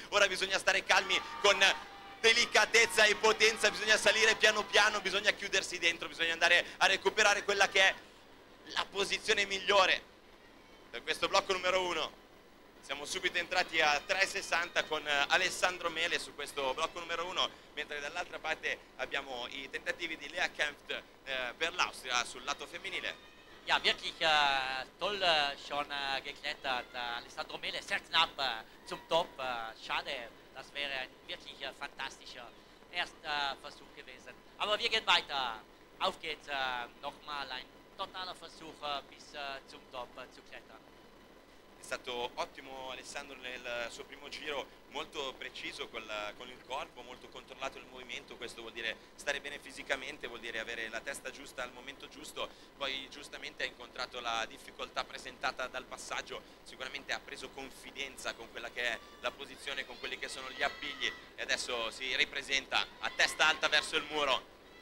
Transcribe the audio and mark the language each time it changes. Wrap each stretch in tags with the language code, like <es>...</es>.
<it>Ora bisogna stare calmi, con delicatezza e potenza bisogna salire piano piano, bisogna chiudersi dentro, bisogna andare a recuperare quella che è la posizione migliore per questo blocco numero uno. Siamo subito entrati a 3.60 con Alessandro Mele su questo blocco numero uno, mentre dall'altra parte abbiamo i tentativi di Lea Kempft per l'Austria sul lato femminile.</it> <de>Ja, wirklich toll schon geklettert Alessandro Mele, sehr knapp zum Top, schade. Das wäre ein wirklich fantastischer erster Versuch gewesen. Aber wir gehen weiter. Auf geht's. Nochmal ein totaler Versuch bis zum Top zu klettern.</de> <it>È stato ottimo Alessandro nel suo primo giro, molto preciso con il corpo, molto controllato il movimento. Questo vuol dire stare bene fisicamente, vuol dire avere la testa giusta al momento giusto. Poi giustamente ha incontrato la difficoltà presentata dal passaggio, sicuramente ha preso confidenza con quella che è la posizione, con quelli che sono gli appigli, e adesso si ripresenta a testa alta verso il muro.</it>